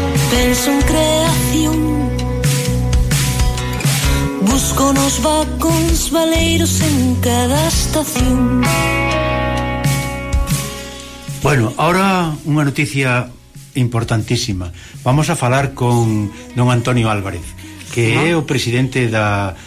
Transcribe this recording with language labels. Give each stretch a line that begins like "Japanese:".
Portuguese: Penso em criação, busco nos vagões baleiros em cada estação.
Spanish: Bueno, ahora una noticia importantísima.
Galician: Vamos a falar con don Antonio Álvarez, que é o presidente da...